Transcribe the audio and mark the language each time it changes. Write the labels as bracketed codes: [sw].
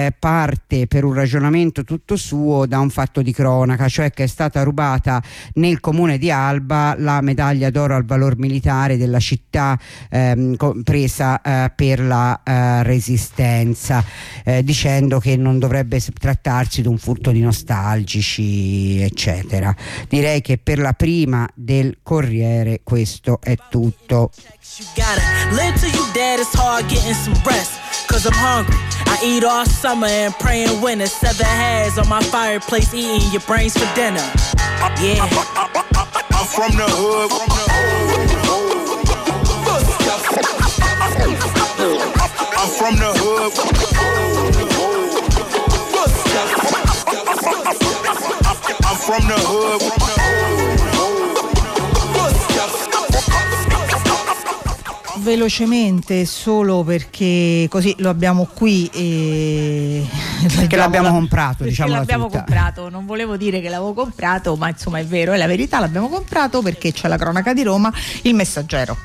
[it] parte per un ragionamento tutto suo da un fatto di cronaca, cioè che è stata rubata nel comune di Alba la medaglia d'oro al valor militare della città presa per la resistenza, dicendo che non dovrebbe trattarsi di un furto di nostalgici eccetera. Direi che per la prima del Corriere questo è tutto. [en] You gotta live till you dead, it's hard getting some rest, cause I'm hungry, I eat all summer and praying winter, 7 heads on my fireplace eating your brains for dinner. Yeah, I'm from the hood, I'm from the hood, I'm from the hood. [it] Velocemente, solo perché così lo abbiamo qui e perché l'abbiamo comprato, diciamo, l'abbiamo tutta. Comprato, non volevo dire che l'avevo comprato, ma insomma è vero, è la verità, l'abbiamo comprato perché c'è la cronaca di Roma, Il Messaggero.